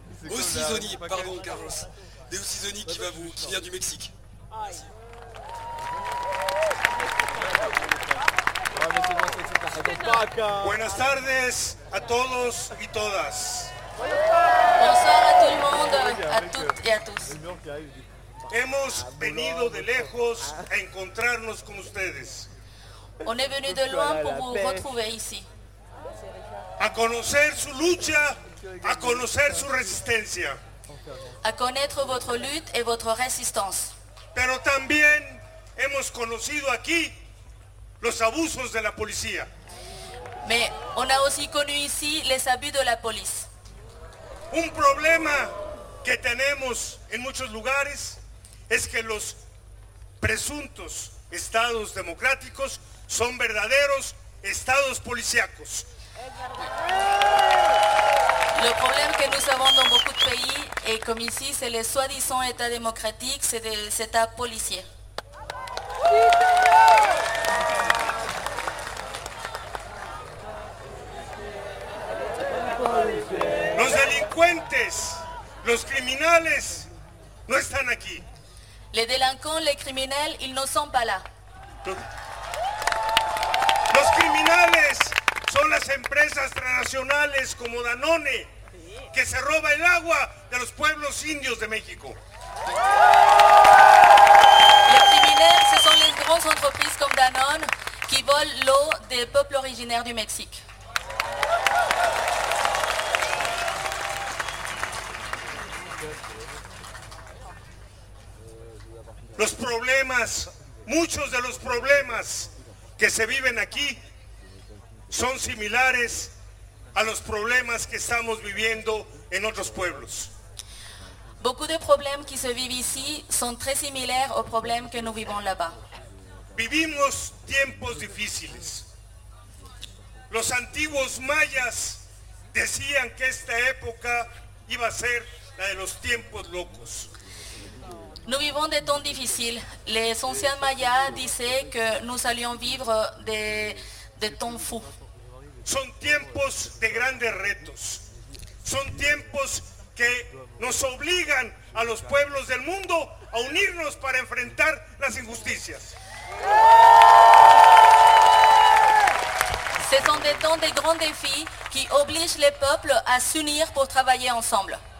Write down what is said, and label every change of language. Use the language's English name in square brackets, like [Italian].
[French] Au Sisoni, pardon, Carlos. Et au Sisoni qui vient du Mexique. Merci. [Spanish] Buenas tardes a todos y todas. [French] Bonsoir à tout le monde, à toutes et à tous. [Spanish] Hemos venido de lejos a encontrarnos con ustedes. [French] On est venu de loin pour vous retrouver ici. [Spanish] A conocer su lucha, a conocer su resistencia. [French] A connaître votre lutte et votre résistance. [Spanish] Pero también hemos conocido aquí los abusos de la policía. [French] Mais on a aussi connu ici les abus de la police. [Spanish] Un problema que tenemos en muchos lugares es que los presuntos estados democráticos son verdaderos estados policíacos. [French] Le problème que nous avons dans beaucoup de pays et comme ici, c'est les soi-disant états démocratiques, c'est des états policiers. [Spanish] Los delincuentes, los criminales no están aquí. [French] Les délinquants, les criminels, ils ne sont pas là. [Spanish] Los criminales son las empresas transnacionales como Danone que se roba el agua de los pueblos indios de México. [French] Les criminels, ce sont les grandes entreprises comme Danone qui volent l'eau des peuples originaires du Mexique. [Spanish] Los problemas, muchos de los problemas que se viven aquí son similares a los problemas que estamos viviendo en otros pueblos. [French] Beaucoup de problèmes qui se vivent ici sont très similaires aux problèmes que nous vivons là-bas. [Spanish] Vivimos tiempos difíciles. Los antiguos mayas decían que esta época iba a ser la de los tiempos locos. [French] Nous vivons des temps difficiles. Les anciens mayas disaient que nous allions vivre des temps fous. [Spanish] Son tiempos de grandes retos. Son tiempos que nos obligan a los pueblos del mundo a unirnos para enfrentar las injusticias. [French] Ce sont des temps de grands défis qui obligent les peuples à s'unir pour travailler ensemble.